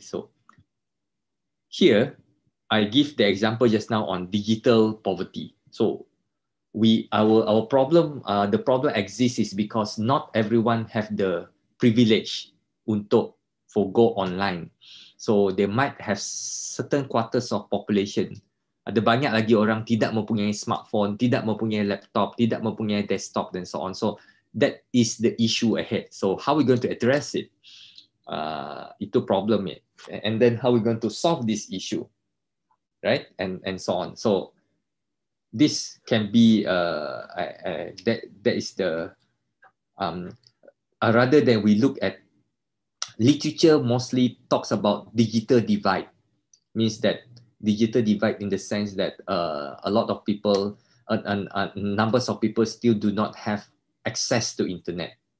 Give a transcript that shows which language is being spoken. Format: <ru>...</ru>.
<en>So here, I give the example just now on digital poverty. So our problem, the problem exists is because not everyone have the privilege untuk forgo online. So they might have certain quarters of population.</en> <ms>Ada banyak lagi orang tidak mempunyai smartphone, tidak mempunyai laptop, tidak mempunyai desktop, dan so on.</ms> <en>So that is the issue ahead. So how are we going to address it? Itu problem it. And then how are we going to solve this issue, right? And so on. So this can be that is the rather than we look at literature, mostly talks about digital divide, means that digital divide in the sense that a lot of people numbers of people still do not have access to internet.</en>